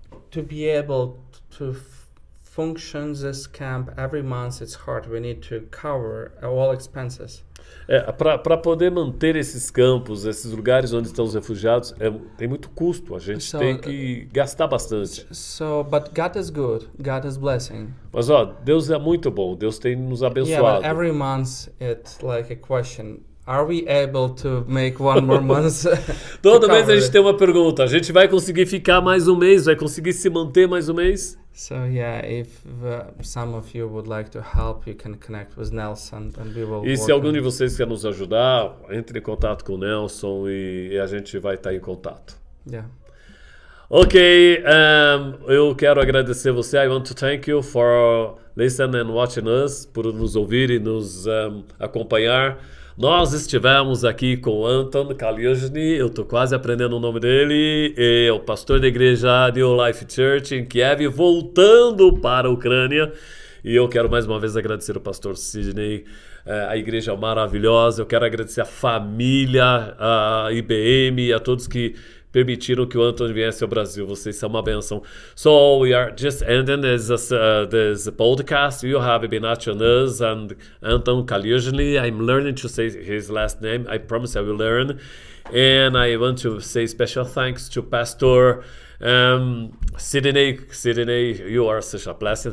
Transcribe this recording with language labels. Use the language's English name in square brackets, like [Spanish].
[English] To be able to function this camp every month, it's hard. We need to cover all expenses. [Portuguese] Para poder manter esses campos, esses lugares onde estão os refugiados, tem muito custo. A gente tem que gastar bastante. [English] But God is good. God is blessing. [Portuguese] Mas ó, Deus é muito bom. Deus tem nos abençoado. [English] Yeah, but every month it's like a question. Are we able to make one more month? [Portuguese] Todo mês a gente tem uma pergunta. A gente vai conseguir ficar mais um mês? Vai conseguir se manter mais um mês? [English] So yeah, if some of you would like to help, you can connect with Nelson and we will. [Portuguese] E se algum de vocês quer nos ajudar, entre em contato com o Nelson e a gente vai estar em contato. [English] Yeah. Okay, [Portuguese] eu quero agradecer você. [English] I want to thank you for listening and watching us, [Portuguese] por nos ouvir e nos acompanhar. Nós estivemos aqui com Anton Kaluzhny, eu estou quase aprendendo o nome dele, e é o pastor da igreja New Life Church em Kiev, voltando para a Ucrânia. E eu quero mais uma vez agradecer o pastor Sidney, a igreja maravilhosa, eu quero agradecer a família, a IBM, a todos que permitiram que o Anton viesse ao Brasil. Vocês são uma bênção. [English] So we are just ending this podcast. You have been watching us and Anton Kaluzhny. I'm learning to say his last name. I promise I will learn. And I want to say special thanks to Pastor Sidney, you are such a blessing.